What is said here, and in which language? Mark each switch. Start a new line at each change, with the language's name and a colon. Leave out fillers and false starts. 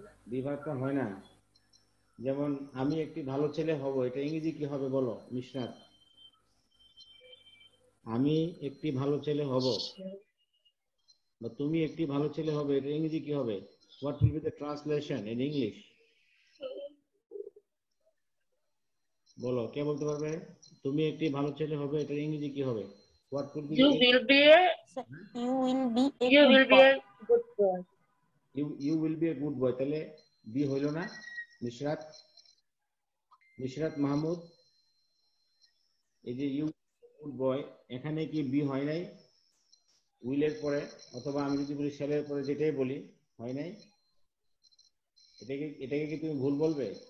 Bangla: B ভার্বটা হয় না। যেমন আমি একটি ভালো ছেলে হব, এটা ইংরেজি কি হবে বলো? মিশনার, আমি একটি ভালো ছেলে হব বা তুমি একটি ভালো ছেলে হবে, এটা ইংরেজি কি হবে?
English: What will be the translation in English?
Bangla: বলো, কে বলতে পারবে? তুমি একটি ভালো ছেলে হবে, এটা ইংরেজি কি হবে?
English: What will be? You will be a good boy. You will be a good boy.
Bangla: তাহলে বি হইলো না?
English: Mishrat,
Bangla: নিশরাত মাহমুদ, এই যে
English: you good boy,
Bangla: এখানে কি বি হয় নাই? উইল এর পরে অথবা আমি যদি বলি শেলের পরে যেটাই বলি হয় নাই? এটাকে কি তুমি ভুল বলবে?